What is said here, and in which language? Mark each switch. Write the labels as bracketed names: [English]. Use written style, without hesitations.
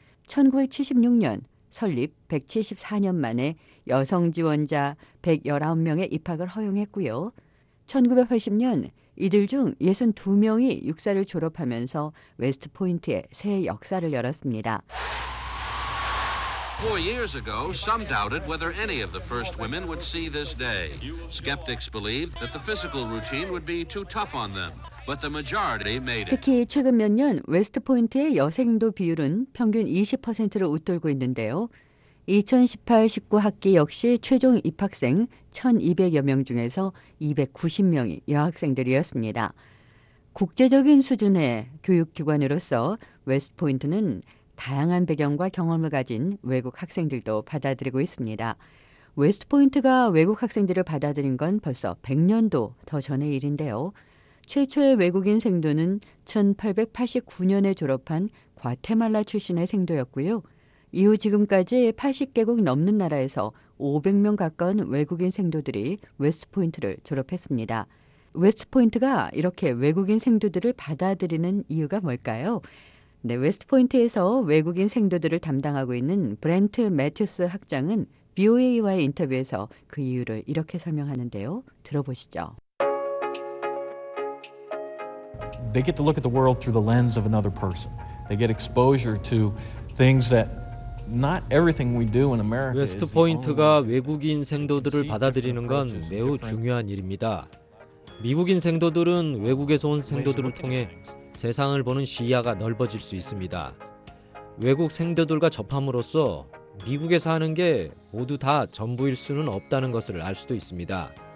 [Korean] 1976년 설립 174년 만에 여성 지원자 119명의 입학을 허용했고요. 1980년 이들 중 62명이 육사를 졸업하면서 웨스트포인트에 새 역사를 열었습니다. [English] 4 years ago, some doubted whether any of the first women would see this day. Skeptics believed that the physical routine would be too tough on them, but the majority made it. [Korean] 특히 최근 몇 년 웨스트포인트의 여생도 비율은 평균 20%를 웃돌고 있는데요. 2018-19 학기 역시 최종 입학생 1,200여 명 중에서 290명이 여학생들이었습니다. 국제적인 수준의 교육기관으로서 웨스트포인트는 다양한 배경과 경험을 가진 외국 학생들도 받아들이고 있습니다. 웨스트포인트가 외국 학생들을 받아들인 건 벌써 100년도 더 전의 일인데요. 최초의 외국인 생도는 1889년에 졸업한 과테말라 출신의 생도였고요. 이후 지금까지 80개국 넘는 나라에서 500명 가까운 외국인 생도들이 웨스트포인트를 졸업했습니다. 웨스트포인트가 이렇게 외국인 생도들을 받아들이는 이유가 뭘까요? 네, 웨스트포인트에서 외국인 생도들을 담당하고 있는 브렌트 매튜스 학장은 VOA와의 인터뷰에서 그 이유를 이렇게 설명하는데요. 들어보시죠. [English] They get to look at the world through the lens of another person. They get exposure to things that not everything we do in America. [Korean] 웨스트포인트가 외국인 생도들을 받아들이는 건 매우 중요한 일입니다. 미국인 생도들은 외국에서 온 생도들을 통해 세상을 보는 시야가 넓어질 수 있습니다. 외국 생도들과 접함으로써 미국에서 하는 게 모두 다 전부일 수는 없다는 것을 알 수도 있습니다.